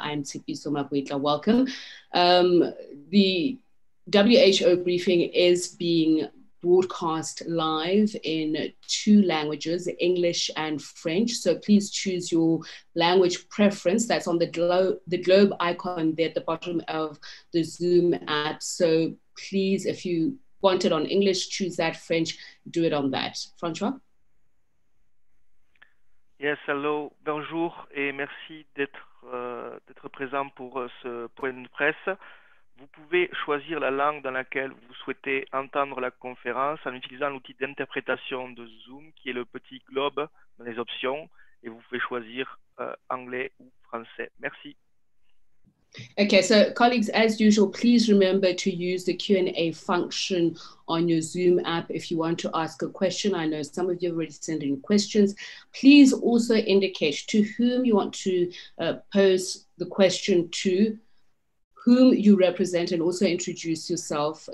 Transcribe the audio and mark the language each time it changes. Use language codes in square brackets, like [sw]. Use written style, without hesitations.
[en] I'm Tsepiso, Makwetla. Welcome. The WHO briefing is being broadcast live in two languages, English and French. So please choose your language preference. That's on the globe icon there at the bottom of the Zoom app. So please, if you want it on English, choose that. French, do it on that. Francois? Yes, hello, [fr] bonjour, et merci d'être présent pour ce point de presse. Vous pouvez choisir la langue dans laquelle vous souhaitez entendre la conférence en utilisant l'outil d'interprétation de Zoom qui est le petit globe dans les options et vous pouvez choisir anglais ou français. Merci. [en] Okay, so colleagues, as usual, please remember to use the Q&A function on your Zoom app if you want to ask a question. I know some of you have already sent in questions. Please also indicate to whom you want to pose the question to, whom you represent, and also introduce yourself.